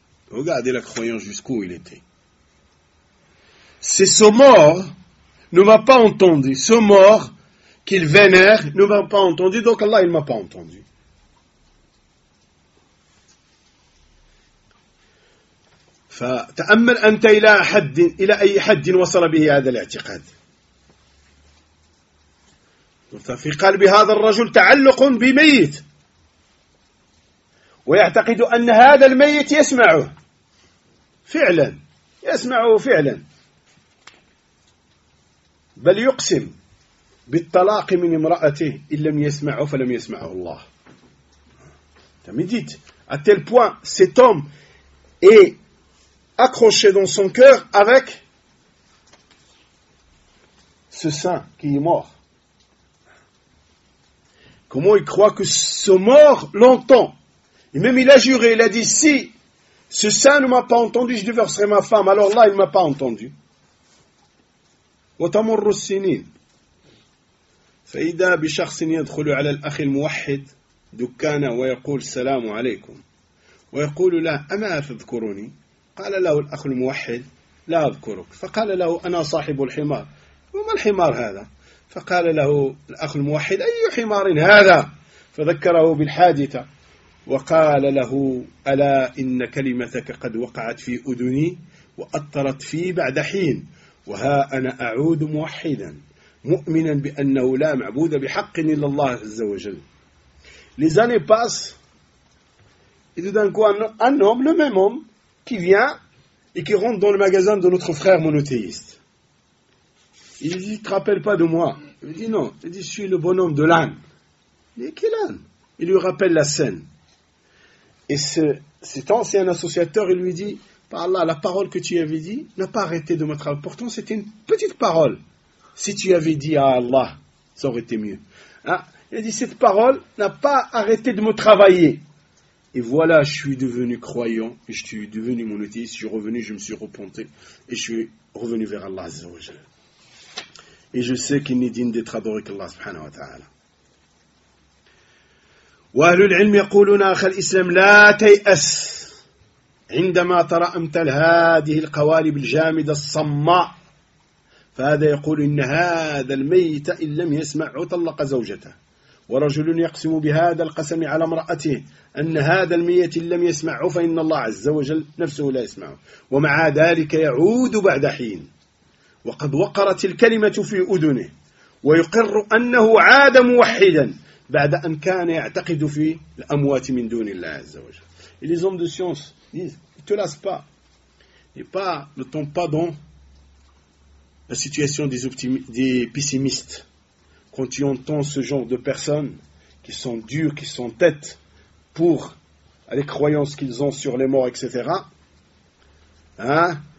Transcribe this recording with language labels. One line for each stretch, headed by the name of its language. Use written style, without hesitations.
French: Regardez la croyance jusqu'où il était. C'est ce mort ne m'a pas entendu. Ce mort qu'il vénère, ne m'a pas entendu, donc Allah, il ne m'a pas entendu.
Arabic: فتأمل أنت إلى حد إلى أي حد وصل به هذا الاعتقاد. ففي قلب هذا الرجل تعلق بميت ويعتقد أن هذا الميت يسمعه فعلا، يسمعه فعلا، بل يقسم بالطلاق من امرأته إن لم يسمعه فلم يسمعه الله.
French: تمديت à tel point cet homme est accroché dans son cœur avec ce saint qui est mort. Comment il croit que ce mort l'entend? Et même il a juré, il a dit si ce saint ne m'a pas entendu, je divorcerai ma femme. Alors là, il ne m'a pas entendu.
Arabic: وَتَمُرُّ السِّنِينَ فإذا بشخص يدخل على الأخ الموحد دكانه ويقول السلام عليكم ويقول له أما تذكرني؟ قال له الأخ الموحد لا أذكرك. فقال له أنا صاحب الحمار. وما الحمار هذا؟ فقال له الأخ الموحد أي حمار هذا؟ فذكره بالحادثة وقال له ألا إن كلمتك قد وقعت في أذني وأطرت في بعد حين وها أنا أعود موحدا مؤمنا بأنه لا معبود بحق إلا الله عز وجل.
French: Les années passent et tout d'un coup un homme, le même homme, qui vient et qui rentre dans le magasin de notre frère monothéiste. Il dit, tu te rappelles pas de moi? Il dit non. Il dit, je suis le bonhomme de l'âne. Il dit, quel âne? Il lui rappelle la scène. Et cet ancien associateur, il lui dit, par Allah, la parole que tu avais dit n'a pas arrêté de me travailler. Pourtant, c'était une petite parole. Si tu avais dit à Allah, ça aurait été mieux. Hein? Il a dit, cette parole n'a pas arrêté de me travailler. Et voilà, je suis devenu croyant, je suis devenu monothéiste, je suis revenu, je me suis repenté, et je suis revenu vers Allah Azza wa Jalla. Et je sais qu'il n'est digne d'être adoré qu'Allah subhanahu wa ta'ala.
Arabic: وأهل العلم يقولون أخ الإسلام لا تيأس عندما ترى أمثل هذه القوالب الجامدة الصماء فهذا يقول إن هذا الميت إن لم يسمع طلق زوجته ورجل يقسم بهذا القسم على امرأته أن هذا الميت إن لم يسمع فإن الله عز وجل نفسه لا يسمعه ومع ذلك يعود بعد حين وقد وقرت الكلمة في أذنه ويقر أنه عاد موحدا بعد أن كان يعتقد في الأموات من دون الله عز وجل.
French: Et les hommes de science disent, ne te lasse pas, ne tombe pas dans la situation des pessimistes. Quand tu entends ce genre de personnes qui sont dures, qui sont têtes pour les croyances qu'ils ont sur les morts, etc. Hein?